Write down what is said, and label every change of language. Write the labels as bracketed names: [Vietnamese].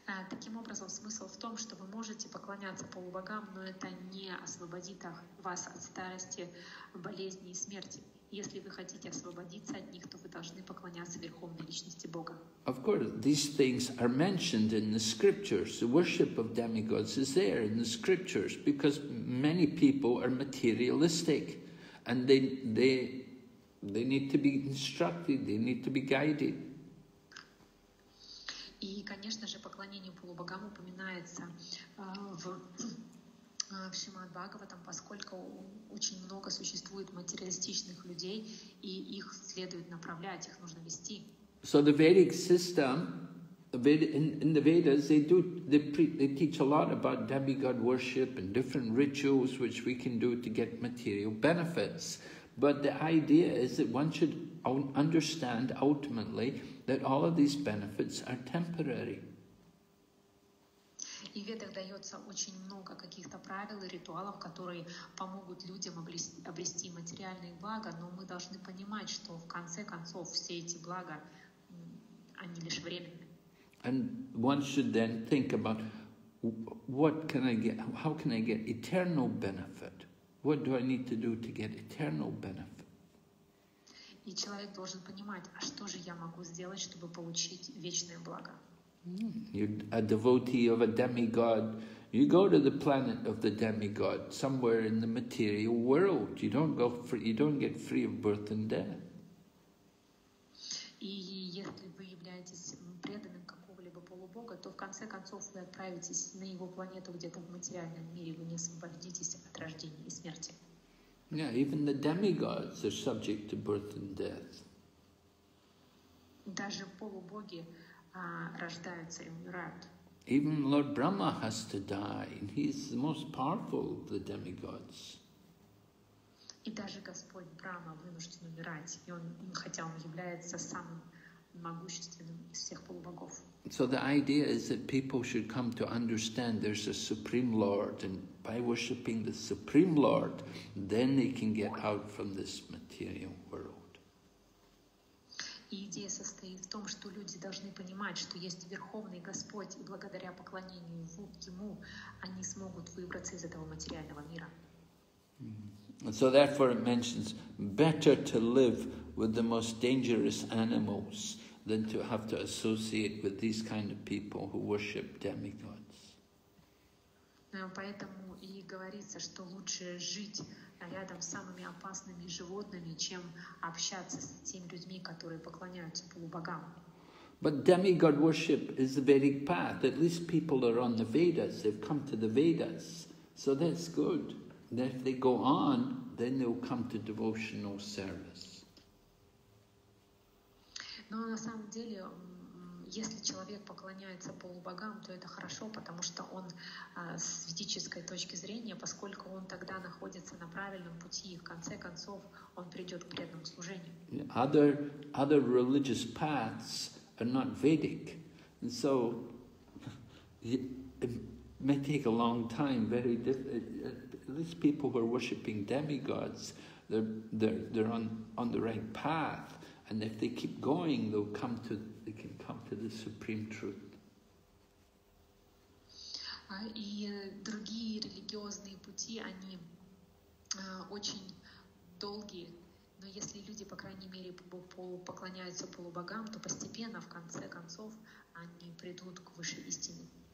[Russian] Таким образом, смысл в том, что вы можете поклоняться полубогам, но это не освободит вас от старости, болезни и смерти. Если вы хотите освободиться от них, то вы должны поклоняться Верховной Личности Бога. [English] Of course, these things are mentioned in the scriptures. The worship of demigods is there in the scriptures because many people are materialistic and they need to be instructed, they need to be guided. [Russian] И, конечно же, поклонение полубогам упоминается в Шримад-Бхагаватам, поскольку очень много существует материалистичных людей, и их следует направлять, их нужно вести. [English] So the Vedic system, in the Vedas, they teach a lot about demigod worship and different rituals which we can do to get material benefits. But the idea is that one should understand ultimately that all of these benefits are temporary. [Russian] И в Ведах дается очень много каких-то правил и ритуалов, которые помогут людям обрести материальные блага, но мы должны понимать, что в конце концов все эти блага, они лишь временные. [English] And one should then think about what can I get, how can I get eternal benefit? What do I need to do to get eternal benefit? [Russian] И человек должен понимать, а что же я могу сделать, чтобы получить вечное благо? [English] You're a devotee of a demigod. You go to the planet of the demigod, somewhere in the material world. You don't get free of birth and death. [Russian] И если вы являетесь преданным какого-либо полубога, то в конце концов вы отправитесь на его планету где-то в материальном мире. Вы не освободитесь от рождения и смерти. [English] Yeah, even the demigods are subject to birth and death. [Russian] Даже полубоги рождаются и умирают. [English] Even Lord Brahma has to die, and he's the most powerful of the demigods. [Russian] И даже Господь Брама вынужден умирать, и он, хотя он является самым могущественным из всех полубогов. [English] So the idea is that people should come to understand there's a Supreme Lord, and by worshipping the Supreme Lord, then they can get out from this material world. [Russian] И идея состоит в том, что люди должны понимать, что есть Верховный Господь, и благодаря поклонению Ему они смогут выбраться из этого материального мира. [English] And so therefore it mentions, better to live with the most dangerous animals than to have to associate with these kind of people who worship demigods. [Russian] Поэтому и говорится, что лучше жить рядом с самыми опасными животными, чем общаться с теми людьми, которые поклоняются полубогам. [English] But demigod worship is the Vedic path. At least people are on the Vedas. They've come to the Vedas. So that's good. That if they go on, then they'll come to devotional service. [Russian] Но на самом деле, если человек поклоняется полубогам, то это хорошо, потому что он с ведической точки зрения, поскольку он тогда находится на правильном пути, и в конце концов он придет к преданному служению. [English] Other religious paths are not Vedic, and so it may take a long time. Very these people who are worshipping demigods, they're on the right path. And if they keep going, they can come to the Supreme Truth. [Russian] И другие религиозные пути, они очень долгие. Но если люди, по крайней мере, поклоняются полубогам, то постепенно, в конце концов, они придут к высшей истине.